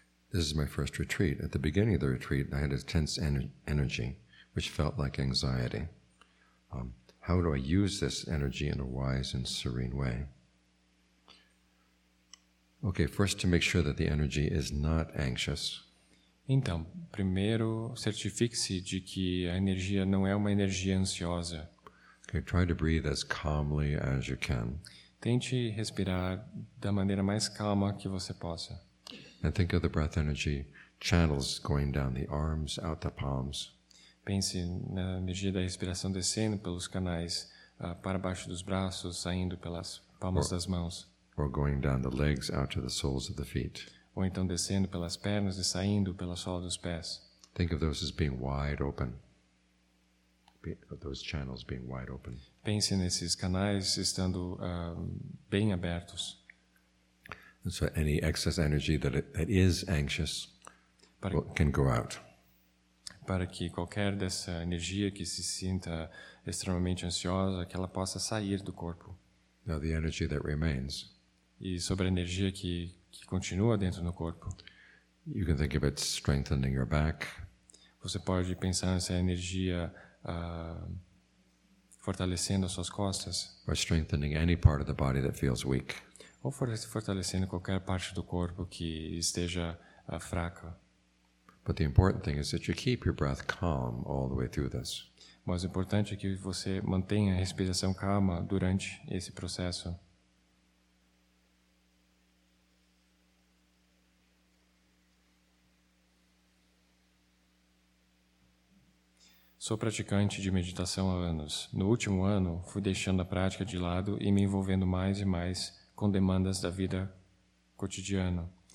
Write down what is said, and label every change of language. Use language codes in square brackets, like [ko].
[en] This is my first retreat. At the beginning of the retreat, I had a tense energy, which felt like anxiety. How do I use this energy in a wise and serene way? Okay, first to make sure that the energy is not anxious. [pt] Então, primeiro, certifique-se de que a energia não é uma energia ansiosa. [en] Okay, try to breathe as calmly as you can. [pt] Tente respirar da maneira mais calma que você possa. [en] And think of the breath energy channels going down the arms, out the palms. [pt] Pense na energia da respiração descendo pelos canais para baixo dos braços, saindo pelas palmas das mãos. [en] Or going down the legs out to the soles of the feet. [pt] Ou então descendo pelas pernas e saindo pela sola dos pés. [en] Think of those as being wide open. Those channels being wide open. [pt] Pense nesses canais estando bem abertos. [en] And so any excess energy that is anxious can go out. [pt] Para que qualquer dessa energia que se sinta extremamente ansiosa, que ela possa sair do corpo. [en] Now the energy that remains. [pt] E sobre a energia que continua dentro do corpo. [en] You can think of it strengthening your back. [pt] Você pode pensar nessa energia fortalecendo as suas costas. [en] Or strengthening any part of the body that feels weak. [pt] Ou fortalecendo qualquer parte do corpo que esteja fraca. [en] But the important thing is that you keep your breath calm all the way through this. [pt] Mas o importante é que você mantenha a respiração calma durante esse processo. Sou praticante de meditação há anos. No último ano, fui deixando a prática de lado e me envolvendo mais e mais com demandas da vida cotidiana.